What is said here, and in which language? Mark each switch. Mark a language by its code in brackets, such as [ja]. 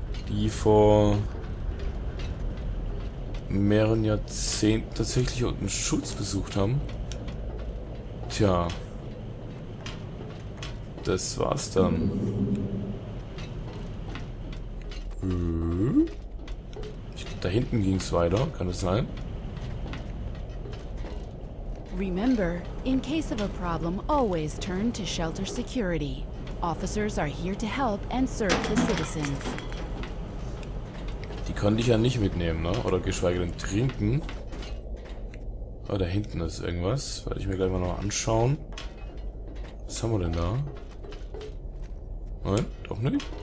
[de] Die vor mehreren Jahrzehnten tatsächlich unten Schutz besucht haben. Tja. Das war's dann. Ich glaube, da hinten ging's weiter, kann das sein? [en] Remember, in case of a problem, always turn to shelter security. Officers are here to help and serve the citizens. [de] Die konnte ich ja nicht mitnehmen, ne? Oder geschweige denn trinken. Oh, da hinten ist irgendwas. Werde ich mir gleich mal noch anschauen. Was haben wir denn da? Nein, doch nicht.